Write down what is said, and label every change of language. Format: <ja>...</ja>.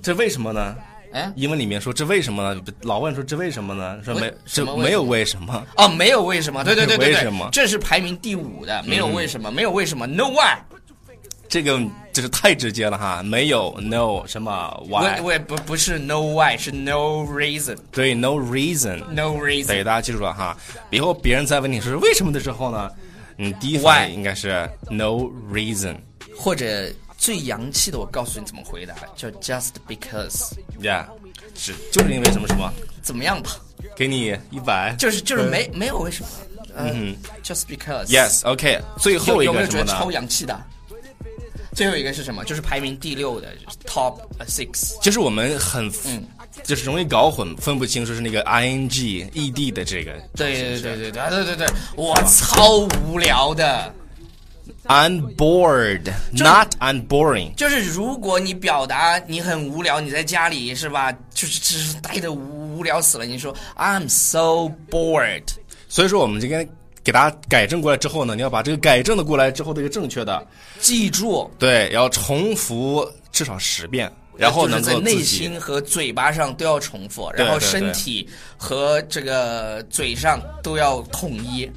<zh>这为什么呢，哎，英文里面说这为什么呢，老问说这为什么呢，说没么这没有为什么。哦，没有为什么。对对对对，为什么，这是排名第五的，没有为什么，没有为什么，</zh> <en>no why，</en> <zh>这个就是太直接了哈，没有 no 什么 why，不是</zh> <en>no why，</en> <zh>是</zh> <en>no reason。</en> <zh>对，</zh> <en>no reason， no reason，</en> <zh>对，大家记住了哈，以后别人在问你说为什么的时候呢，第一反应应该是</zh> <en>no reason，</en> <zh>或者最洋气的我告诉你怎么回答，叫</zh> <en>just because，</en> <zh>yeah， 是就是因为什么什么怎么样吧，给你一百，就是没有为什么，</zh> <en>just because， yes， OK，</en> <zh>最后一个什么呢？有没有觉得超洋气的？最后一个是什么？就是排名第六的，就是</zh> <en>top six，</en> <zh>就是我们很就是容易搞混，分不清楚是那个 ing ed 的这个。对，我超无聊的。</zh> <en>I'm bored, not I'm boring。</en> <zh>就是如果你表达你很无聊，你在家里是吧？就是待的无聊死了。你说</zh> <en>I'm so bored。</en> <zh>所以说我们今天给大家改正过来之后呢，你要把这个改正的过来之后的一个正确的记住，对，要重复至少十遍。然后能够自己，就是在内心和嘴巴上都要重复，然后身体和这个嘴上都要统一。</zh>